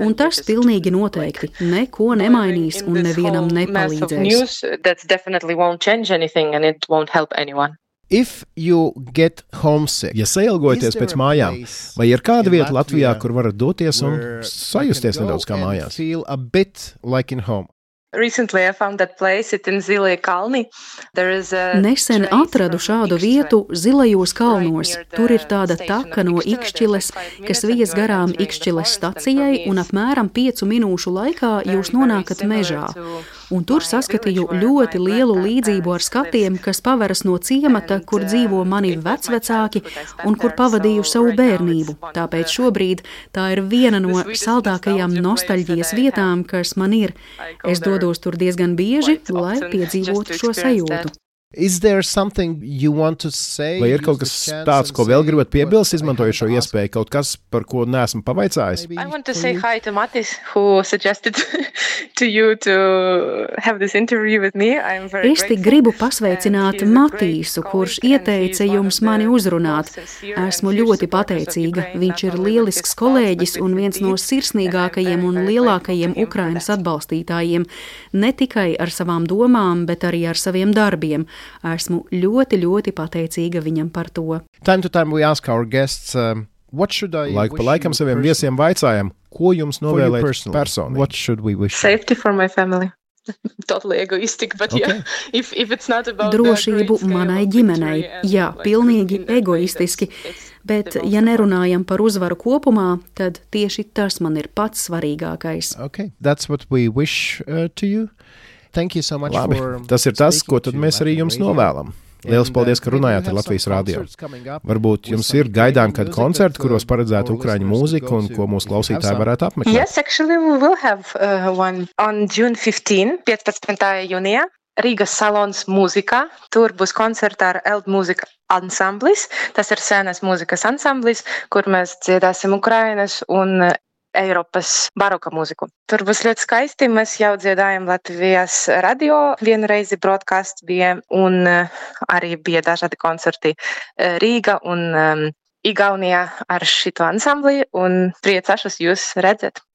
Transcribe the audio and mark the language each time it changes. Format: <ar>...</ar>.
<lv>Un tas pilnīgi noteikti neko nemainīs un nevienam nepalīdzēs.</lv> <en>If you get homesick,</en> <lv>ja sailgojaties pēc mājām, vai ir kāda vieta Latvijā, kur varat doties un sajusties nedaudz kā mājās?</lv> <en>Feel a bit like in home. Recently I found that place in Zilie Kalni. There is a</en> <lv>Nesen atradu šādu vietu Zilajos kalnos. Tur ir tāda taka no Ikšķiles, kas vies garām Ikšķiles stacijai un apmēram 5 minūšu laikā jūs nonākat mežā. Un tur saskatīju ļoti lielu līdzību ar skatiem, kas paveras no ciemata, kur dzīvo mani vecvecāki un kur pavadīju savu bērnību. Tāpēc šobrīd tā ir viena no saldākajām nostaļģijas vietām, kas man ir. Es dodos tur diezgan bieži, lai piedzīvotu šo sajūtu.</lv> <en>Is there something you want to say?</en> <lv>Vai ir kaut kas tāds, ko vēl gribat piebilst, izmantojot šo iespēju, kaut kas, par ko neesmu pavaicājis?</lv> <en>I want to say hi to Matis, who suggested to you to have this interview with me.</en> <lv>Es tik gribu pasveicināt Matīsu, kurš ieteica jums mani uzrunāt. Esmu ļoti pateicīga. Viņš ir lielisks kolēģis un viens no sirsnīgākajiem un lielākajiem Ukrainas atbalstītājiem, ne tikai ar savām domām, bet arī ar saviem darbiem. Esmu ļoti, ļoti pateicīga viņam par to.</lv> <en>Time to time we ask our guests, what should I</en> <lv>Laiku pa laikam saviem viesiem vaicājam, ko jums novēlēt personīgi?</lv> <en>What should we wish? Safety for my family. Totally egoistic, but okay. Yeah, if it's not about</en> <lv>drošību manai ģimenei. Jā, pilnīgi egoistiski. Bet, ja nerunājam par uzvaru kopumā, tad tieši tas man ir pats svarīgākais.</lv> <en>Okay, that's what we wish to you. Thank you so much</en> <lv>Labi,</lv> <en>for</en> <lv>tas ir tas, ko tad mēs arī jums novēlam. Lielas paldies, ka runājāt ar Latvijas rādio. Varbūt jums ir gaidām kādi koncerti, kuros paredzētu ukraiņu mūziku un ko mūsu klausītāji varētu apmeklēt?</lv> <en>Yes, actually we will have one on June 15, 15.</en> <lv>jūnijā, Rīgas salons mūzika. Tur būs koncerts ar Eld mūzika. Ansamblis. Tas ir senas mūzikas ansamblis, kur mēs dziedāsim Ukrainas un Eiropas baroka mūziku. Tur būs ļoti skaisti, mēs jau dziedājam Latvijas radio vienreizi broadcast bija un arī bija dažādi koncerti Rīga un Igaunijā ar šito ansambli un priecašus jūs redzēt.</lv>